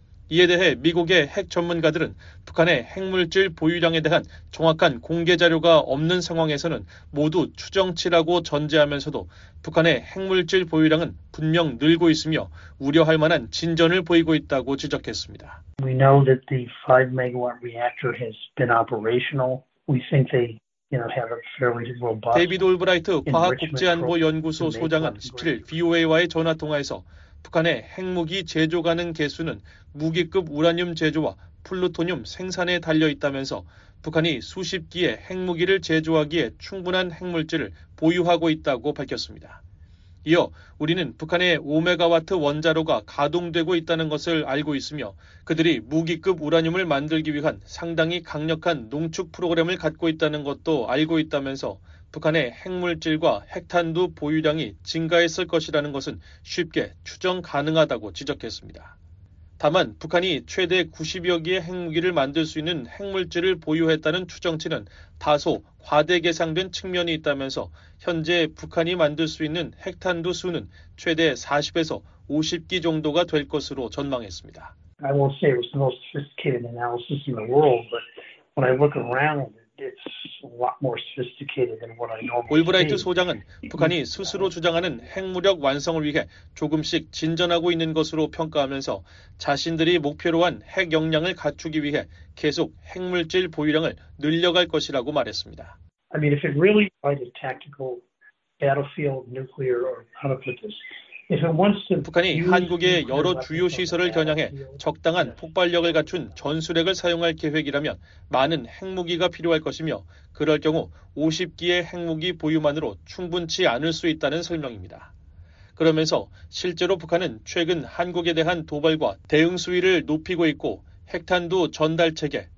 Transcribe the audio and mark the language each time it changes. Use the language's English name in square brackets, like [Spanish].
[Korean] 이에 대해 미국의 핵 전문가들은 북한의 핵물질 보유량에 대한 정확한 공개 자료가 없는 상황에서는 모두 추정치라고 전제하면서도 북한의 핵물질 보유량은 분명 늘고 있으며 우려할 만한 진전을 보이고 있다고 지적했습니다. [English] We know that the 5-megawatt reactor has been operational. We think they have a fairly robust. [Korean] 데이비드 올브라이트 과학국제안보연구소 소장은 17일 VOA와의 전화통화에서 북한의 핵무기 제조 가능 개수는 무기급 우라늄 제조와 플루토늄 생산에 달려있다면서 북한이 수십 기의 핵무기를 제조하기에 충분한 핵물질을 보유하고 있다고 밝혔습니다. 이어 우리는 북한의 5메가와트 원자로가 가동되고 있다는 것을 알고 있으며 그들이 무기급 우라늄을 만들기 위한 상당히 강력한 농축 프로그램을 갖고 있다는 것도 알고 있다면서 북한의 핵물질과 핵탄두 보유량이 증가했을 것이라는 것은 쉽게 추정 가능하다고 지적했습니다. 다만 북한이 최대 90여 기의 핵무기를 만들 수 있는 핵물질을 보유했다는 추정치는 다소 과대계상된 측면이 있다면서 현재 북한이 만들 수 있는 핵탄두 수는 최대 40에서 50기 정도가 될 것으로 전망했습니다. [English] I won't say it was the most sophisticated analysis in the world, but when I look around, It's a lot more sophisticated than what I normally see. [Korean] 올브라이트 소장은 북한이 스스로 주장하는 핵무력 완성을 위해 조금씩 진전하고 있는 것으로 평가하면서 자신들이 목표로 한 핵 역량을 갖추기 위해 계속 핵물질 보유량을 늘려갈 것이라고 말했습니다. [English] I mean, if it really like a tactical battlefield nuclear or how to put this. [Korean] 북한이 한국의 여러 주요 시설을 겨냥해 적당한 폭발력을 갖춘 전술핵을 사용할 계획이라면 많은 핵무기가 필요할 것이며 그럴 경우 50기의 핵무기 보유만으로 충분치 않을 수 있다는 설명입니다. 그러면서 실제로 북한은 최근 한국에 대한 도발과 대응 수위를 높이고 있고 핵탄두 전달 체계,